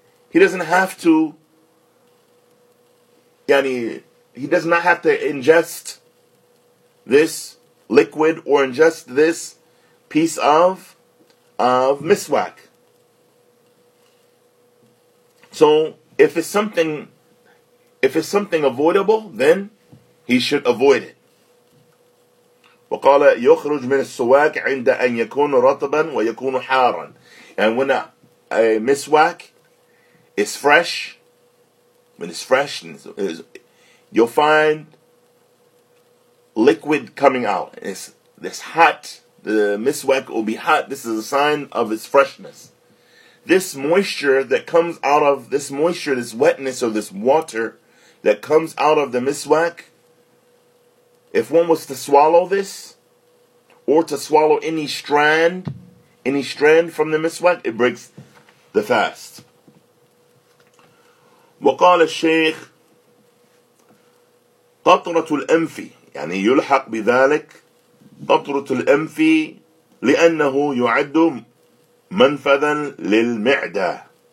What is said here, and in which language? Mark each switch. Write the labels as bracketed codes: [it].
[en] He doesn't have to, yani, he does not have to ingest this liquid or ingest this piece of miswak. So if it's something, if it's something avoidable, then he should avoid it. [ar] وقال يخرج من السواك عند أن يكون رطبا ويكون حارا. [en] And when a miswak is fresh, when it's fresh, you'll find liquid coming out. It's hot. The miswak will be hot. This is a sign of its freshness. this moisture that comes out of this moisture, this wetness or this water that comes out of the miswak, if one was to swallow this, or to swallow any strand from the miswak, it breaks the fast. [ar] وقال الشيخ قطرة الأنف يعني يلحق بذلك قطرة الأنف لأنه يعد منفذا للمعدة.